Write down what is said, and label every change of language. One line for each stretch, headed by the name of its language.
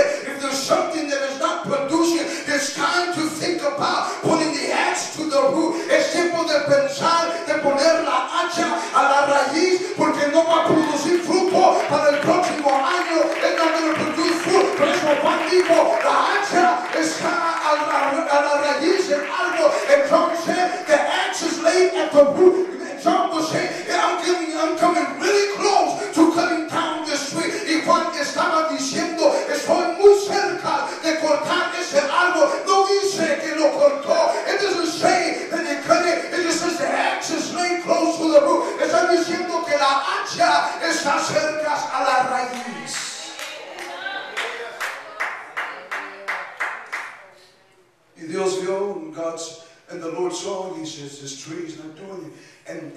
English: If there's something that is not producing, it's time to think about putting the axe to the root.
Spanish: Es tiempo de pensar, de poner la hacha a la raíz, porque no va a producir fruto para el próximo año.
English: It's not going to produce fruit.
Spanish: Por eso Juan dijo, la hacha está a la raíz del árbol.
English: And John said, the axe is laid at the root. And John was saying, yeah, I'm coming really close to cutting down this tree.
Spanish: Y Juan estaba diciendo, estoy muy cerca de cortar ese árbol. No dice que lo cortó.
English: It doesn't say that he cut it. It just says the axe is laid close to the root.
Spanish: Está diciendo que la hacha está cerca a la raíz. Y Dios vio,
English: and the Lord saw, and he says, this tree is not doing it.